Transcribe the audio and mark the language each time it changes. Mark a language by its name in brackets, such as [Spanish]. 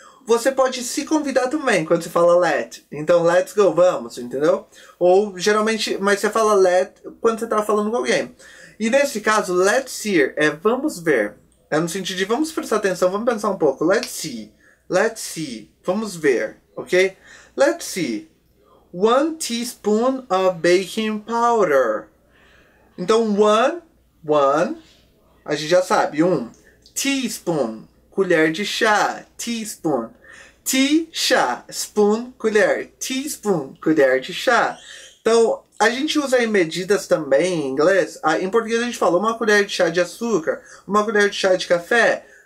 [Portuguese] Você pode se convidar também quando você fala let. Então let's go, vamos, entendeu? Ou geralmente, mas você fala let quando você está falando com alguém. E nesse caso, let's see, é vamos ver. É no sentido de vamos prestar atenção, vamos pensar um pouco. Let's see. [English] Let's see. [Portuguese] Vamos ver, [English] ok? Let's see. 1 teaspoon of baking powder. [Portuguese] Então, one, a gente já sabe, teaspoon, colher de chá, teaspoon. Tea, chá, spoon, colher, teaspoon, colher de chá. Então, a gente usa em medidas também em inglês. Em português a gente fala uma colher de chá de açúcar, uma colher de chá de café.